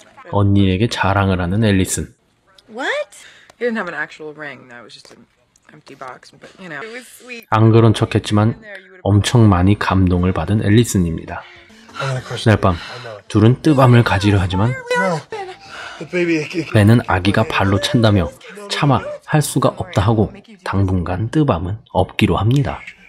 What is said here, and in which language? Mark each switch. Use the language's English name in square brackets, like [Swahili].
[Korean] 언니에게 자랑을 하는 앨리슨. [English] What? He didn't have an actual ring. That was just an empty box. But you know. It was sweet. [Korean] 안 그런 척했지만 엄청 많이 감동을 받은 앨리슨입니다. 그날 밤 둘은 뜨밤을 가지려 하지만 벤은 아기가 발로 찬다며 차마 할 수가 없다 하고 당분간 뜨밤은 없기로 합니다.